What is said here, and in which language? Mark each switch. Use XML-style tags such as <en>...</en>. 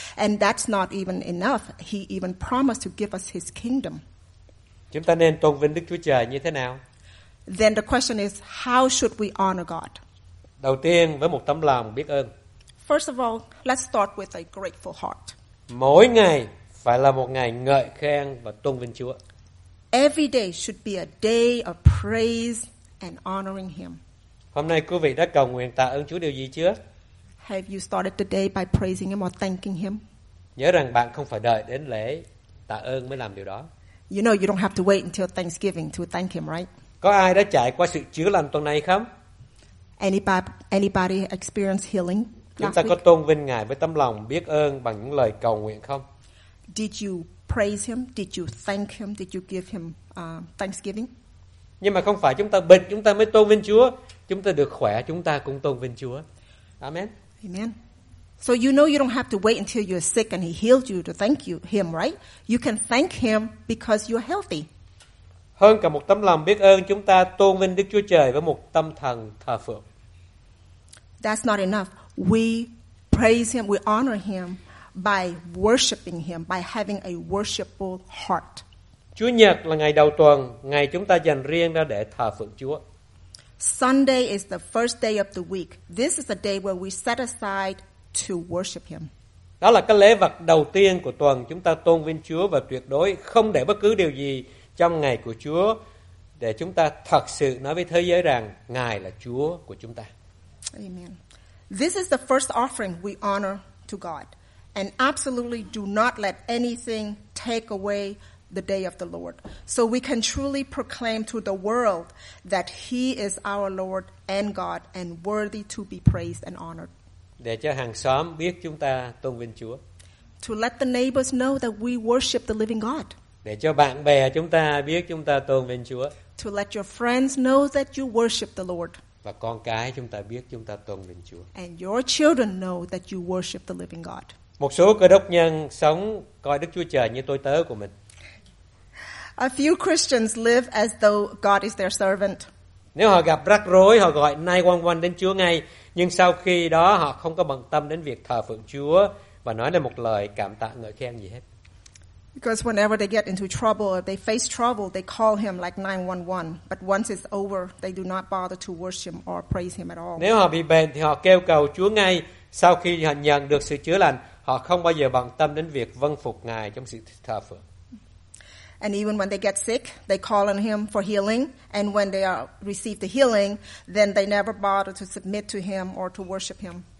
<en>And that's not even enough. He even promised to give us his kingdom.</en> <vi>Chúng ta nên tôn vinh Đức Chúa Trời như thế nào?</vi> <en>Then the question is, how should we honor God?</en> <vi>Đầu tiên, với một tấm lòng biết ơn.</vi> <en>First of all, let's start with a grateful heart.</en> <vi>Mỗi ngày phải là một ngày ngợi khen và tôn vinh Chúa.</vi> <en>Every day should be a day of praise and honoring him.</en> <vi>Hôm nay quý vị đã cầu nguyện tạ ơn Chúa điều gì chưa?</vi> <en>Have you started the day by praising him or thanking him?</en> <vi>Nhớ rằng bạn không phải đợi đến lễ tạ ơn mới làm điều đó.</vi> <en>You know you don't have to wait until Thanksgiving to thank him, right?</en> <vi>Có ai đã trải qua sự chữa lành tuần này không?</vi> <en>Anybody experience healing?</en> <vi>Chúng ta có tôn vinh Ngài với tấm lòng biết ơn bằng những lời cầu nguyện không?</vi> <en>Did you praise him? Did you thank him? Did you give him thanksgiving?</en> <vi>Nhưng mà không phải chúng ta bệnh chúng ta mới tôn vinh Chúa, chúng ta được khỏe chúng ta cũng tôn vinh Chúa.</vi> <en>Amen. Amen. So you know you don't have to wait until you're sick and he healed you to thank you him, right? You can thank him because you're healthy.</en> <vi>Hơn cả một tấm lòng biết ơn, chúng ta tôn vinh Đức Chúa Trời với một tâm thần thờ phượng.</vi> <en>That's not enough. We praise him, we honor him by worshiping him, by having a worshipful heart.</en> <vi>Chúa Nhật là ngày đầu tuần, ngày chúng ta dành riêng ra để thờ phượng Chúa.</vi> <en>Sunday is the first day of the week. This is a day where we set aside to worship him.</en> <vi>Đó là cái lễ vật đầu tiên của tuần, chúng ta tôn vinh Chúa và tuyệt đối không để bất cứ điều gì trong ngày của Chúa để chúng ta thật sự nói với thế giới rằng Ngài là Chúa của chúng ta.</vi> <en>Amen. This is the first offering we honor to God. And absolutely do not let anything take away the day of the Lord. So we can truly proclaim to the world that he is our Lord and God and worthy to be praised and honored.</en> <vi>Để cho hàng xóm biết chúng ta tôn vinh Chúa.</vi> <en>To let the neighbors know that we worship the living God.</en> <vi>Để cho bạn bè chúng ta biết chúng ta tôn vinh Chúa.</vi> <en>To let your friends know that you worship the Lord.</en> <vi>Và con cái chúng ta biết chúng ta tôn vinh Chúa.</vi> <en>And your children know that you worship the living God.</en> <vi>Một số cơ đốc nhân sống coi Đức Chúa Trời như tôi tớ của mình.</vi> <en>A few Christians live as though God is their servant.</en> <vi>Nếu họ gặp rắc rối, họ gọi 911 đến Chúa ngay. Nhưng sau khi đó, họ không có bận tâm đến việc thờ phượng Chúa và nói lên một lời cảm tạ ngợi khen gì hết.</vi> <en>Because whenever they get into trouble or they face trouble, they call him like 911. But once it's over, they do not bother to worship or praise him at all.</en> <vi>Nếu họ bị bệnh thì họ kêu cầu Chúa ngay sau khi họ nhận được sự chữa lành. Họ không bao giờ bận tâm đến việc vâng phục Ngài trong sự thờ phượng.</vi> <en>And even when they get sick, they call on him for healing. And when they receive the healing, then they never bother to submit to him or to worship him.</en>